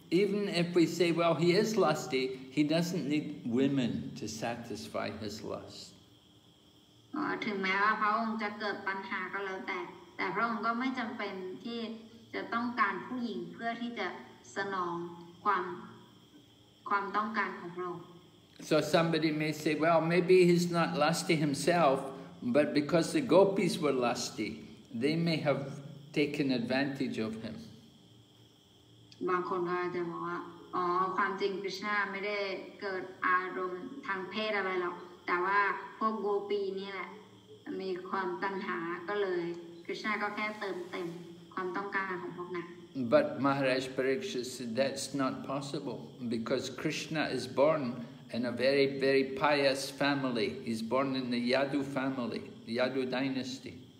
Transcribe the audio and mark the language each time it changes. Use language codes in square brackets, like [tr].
[en] Even if we say, well, he is lusty, he doesn't need women to satisfy his lust. [th] ถึงแม้ว่าพระองค์จะเกิดปัญหาก็แล้วแต่พระองค์ก็ไม่จำเป็นที่จะต้องการผู้หญิงเพื่อที่จะสนองความต้องการของพระองค์ [en] So somebody may say, well, maybe he's not lusty himself, but because the gopis were lusty, they may have taken advantage of him. [th] บางคนก็อาจจะบอกว่าอ๋อความจริงคริสต์น่าไม่ได้เกิดอารมณ์ทางเพศอะไรหรอกแต่ว่าพวกโกปีนี่แหละมีความตัณหาก็เลยคริสต์น่าก็แค่เติมความต้องการของพวกนั้น [en] But Maharaj Pariksha said that's not possible because Krishna is born in a very, very pious family. He's born in the Yadu family, the Yadu dynasty.